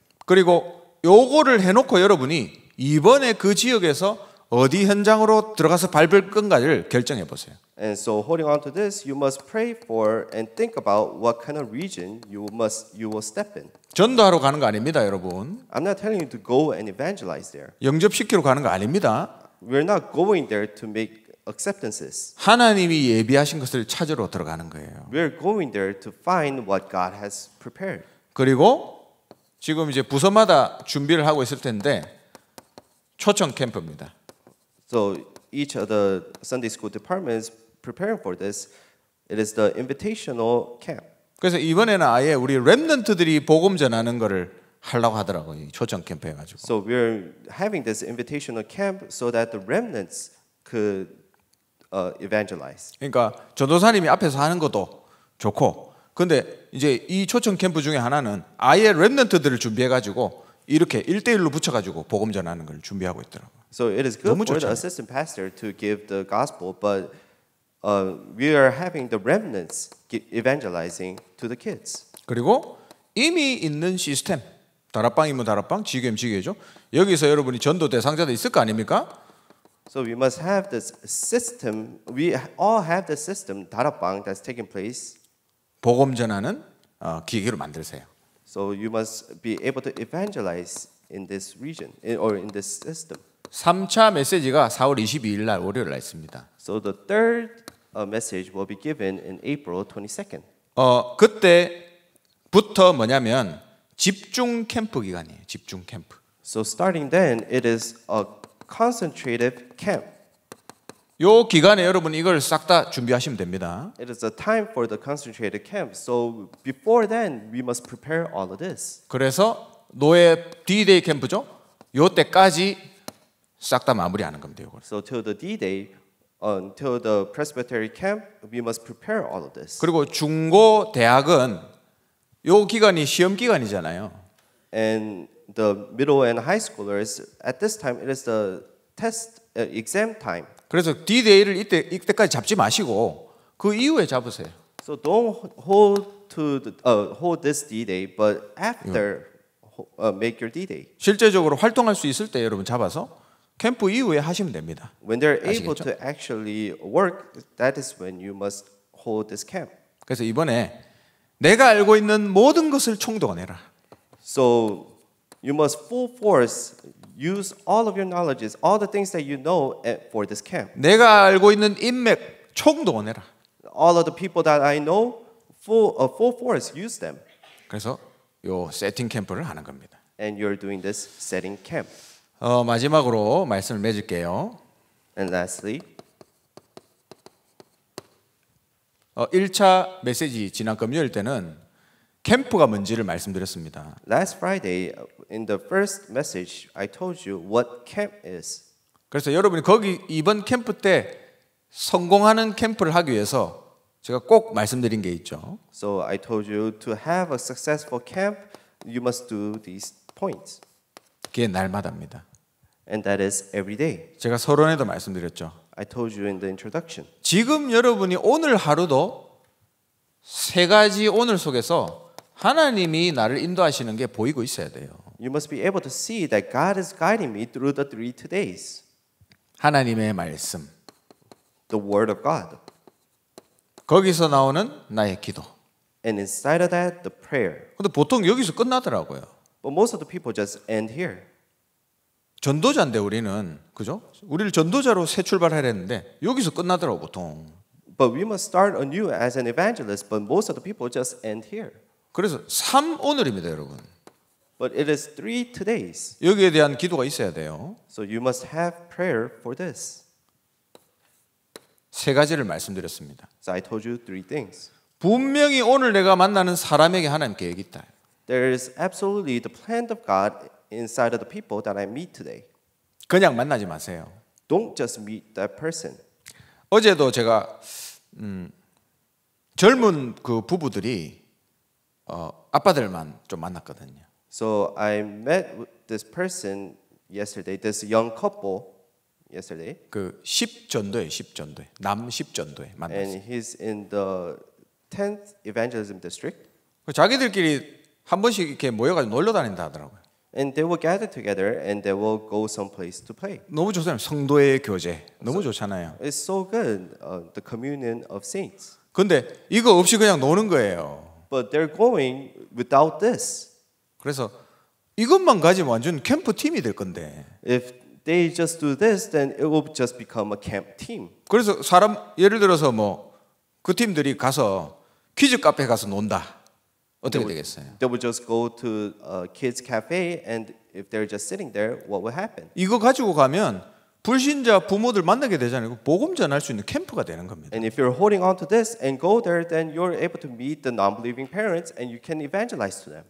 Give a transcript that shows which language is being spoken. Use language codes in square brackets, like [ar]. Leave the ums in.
[ko] 그리고 요거를 해놓고 여러분이 이번에 그 지역에서 어디 현장으로 들어가서 밟을 건가를 결정해 보세요. [en] And so holding on to this, you must pray for and think about what kind of region you must you will step in. [ko] 전도하러 가는 거 아닙니다, 여러분. [en] I'm not telling you to go and evangelize there. [ko] 영접 시키러 가는 거 아닙니다. [en] We're not going there to make acceptances. [ko] 하나님이 예비하신 것을 찾으러 들어가는 거예요. [en] We're going there to find what God has prepared. [ko] 그리고 지금 이제 부서마다 준비를 하고 있을 텐데 초청 캠프입니다. [en] So each of the Sunday school departments preparing for this, it is the invitational camp. [ko] 그래서 이번에는 아예 우리 렘넌트들이 복음 전하는 거를 하려고 하더라고요. 초청 캠프 해 가지고. [en] So we are having this invitational camp so that the remnants could uh, evangelize. [ko] 그러니까 전도사님이 앞에서 하는 것도 좋고. 근데 이제 이 초청 캠프 중에 하나는 아예 렘넌트들을 준비해 가지고 이렇게 1대1로 붙여 가지고 복음 전하는 걸 준비하고 있더라고. [en] So it is good for the assistant pastor to give the gospel but uh, we are having the remnants evangelizing to the kids. [ko] 그리고 이미 있는 시스템 다락방이면 다락방, 지교면 지교죠. 여기서 여러분이 전도 대상자도 있을 거 아닙니까? [en] So we must have this system. We all have the system 다락방 that's taking place. [ko] 복음 전하는 어, 기계로 만들세요. [en] So you must be able to evangelize in this region or in this system. [ko] 3차 메시지가 4월 22일 날 월요일 날 있습니다. [en] So the third message will be given in April 22nd. [ko] 어, 그때부터 뭐냐면 집중 캠프 기간이에요. 집중 캠프. [en] So starting then it is a concentrated camp. [ko] 요 기간에 여러분 이걸 싹 다 준비하시면 됩니다. [en] It is a time for the concentrated camp. So before then we must prepare all of this. [ko] 그래서 노예 D-Day 캠프죠? 요 때까지 싹 다 마무리하는 겁니다, 요걸. [en] So till the D-Day until the presbytery camp we must prepare all of this. [ko] 그리고 중고 대학은 요 기간이 시험 기간이잖아요. [en] And the middle and high schoolers at this time it is the test uh, exam time. [ko] 그래서 D-Day를 이때 이때까지 잡지 마시고 그 이후에 잡으세요. [en] So don't hold to the, uh, hold this D-Day, but after uh, make your D-Day. [ko] 실제적으로 활동할 수 있을 때 여러분 잡아서 캠프 이후에 하시면 됩니다. [en] When they're [ko] 아시겠죠? [en] able to actually work, that is when you must hold this camp. [ko] 그래서 이번에 내가 알고 있는 모든 것을 총동원해라. [en] So you must full force use all of your k n o w l e d g e all the things that you know for this camp. [ko] 내가 알고 있는 인맥 총동원해라. [en] All of the people that I know, f u l f u l force, use them. [ko] 그래서 요 세팅 캠프를 하는 겁니다. [en] And you're doing this setting camp. [ko] 어 마지막으로 말씀을 맺을게요. [en] And lastly. [ko] 어, 1차 메시지 지난 금요일 때는 캠프가 뭔지를 말씀드렸습니다. [en] Last Friday in the first message I told you what camp is. [ko] 그래서 여러분이 거기 이번 캠프 때 성공하는 캠프를 하기 위해서 제가 꼭 말씀드린 게 있죠. [en] So I told you to have a successful camp you must do these points. [ko] 그게 날마다입니다. [en] And that is every day. [ko] 제가 서론에도 말씀드렸죠. [en] I told you in the introduction. [ko] 지금 여러분이 오늘 하루도 세 가지 오늘 속에서 하나님이 나를 인도하시는 게 보이고 있어야 돼요. [en] You must be able to see that God is guiding me through the three today's. [ko] 하나님의 말씀. [en] The word of God. [ko] 거기서 나오는 나의 기도. [en] And inside of that, the prayer. [ko] 근데 보통 여기서 끝나더라고요. [en] But most of the people just end here. [ko] 전도자인데 우리는 그죠? 우리를 전도자로 새 출발해야 되는데 여기서 끝나더라고 보통. [en] But we must start anew as an evangelist, but most of the people just end here. [ko] 그래서 3 오늘입니다, 여러분. [en] But it is three today's. [ko] 여기에 대한 기도가 있어야 돼요. [en] So you must have prayer for this. [ko] 세 가지를 말씀드렸습니다. [en] So I told you three things. [ko] 분명히 오늘 내가 만나는 사람에게 하나님 계획 있다. [en] There is absolutely the plan of God inside of the people that I meet today. [ko] 그냥 만나지 마세요. [en] Don't just meet that person. [ko] 어제도 제가 음, 젊은 그 부부들이 어, 아빠들만 좀 만났거든요. [en] So I met this person yesterday, this young couple yesterday. [ko] 그 십전도에 십전도에 남 십전도에 만났어요. [en] And he's in the tenth evangelism district. 그 [ko] 자기들끼리 한 번씩 이렇게 모여가지고 놀러 다닌다 하더라고요. [en] And they will gather together and they will go someplace to play. [ko] 너무 좋잖아요. 성도의 교제 너무 [en] so, [ko] 좋잖아요. [en] It's so good, uh, the communion of saints. [ko] 근데 이거 없이 그냥 노는 거예요. [en] t h e y r e going without this. [ko] 그래서 이것만 가지면 완전 캠프 팀이 될 건데. [en] If they just do this, then it will just become a camp team. [ko] 그래서 사람 예를 들어서 뭐 그 팀들이 가서 퀴즈 카페 가서 논다. 어떻게 되겠어요? [en] They will just go to kids cafe, and if they're just sitting there, what will happen? [ko] 이거 가지고 가면. 불신자 부모들 만나게 되잖아요. 복음 전할 수 있는 캠프가 되는 겁니다. [en] And if you're holding on to this and go there, then you're able to meet the non-believing parents and you can evangelize to them.